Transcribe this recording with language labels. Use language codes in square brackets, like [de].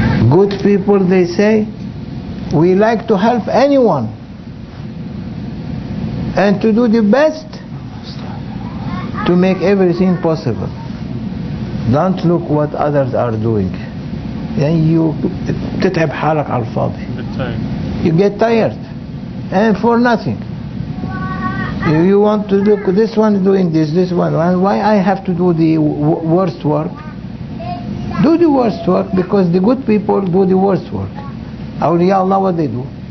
[en] Good people, they say, we like to help anyone and to do the best to make everything possible. Don't look what others are doing. Then you [ar] تتعب حالك على الفاضي. [en] You get tired and for nothing. If you want to look, this one doing this one, why I have to do the worst work? Do the worst work, because the good people do the worst work. Awliya Allah, what they do?